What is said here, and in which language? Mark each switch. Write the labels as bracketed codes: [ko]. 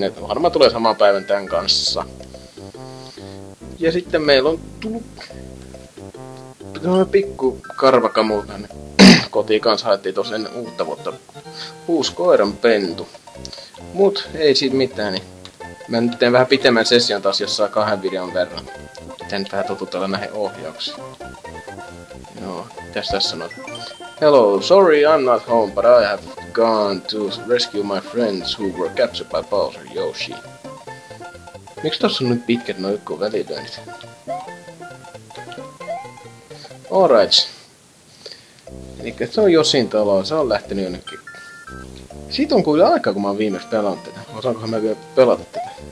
[fi] Ne varmaan tulee saman päivän tän kanssa. Ja sitten meillä on tullut tämmönen pikku karvakamu tänne kotiin kanssa, haettiin tosiaan uutta vuotta. Uusi koiran pentu. Mut ei siitä mitään, niin mä nyt teen vähän pitemmän session taas jossain kahden videon verran. Pitää nyt vähän totutella näihin ohjauksiin. No, mitäs tässä sanot? [en] Hello, sorry I'm not home, but I have gone to rescue my friends who were captured by Bowser Yoshi. [fi] Miks tossa on nyt pitkät noin ykkön välilöinnit? Alright. Elikkä se on Yoshin talo, se on lähtenyt jonnekin. Siitä on kuule aikaa, kun mä oon viimeks pelannut tätä. Osaankohan mä vielä pelata tätä?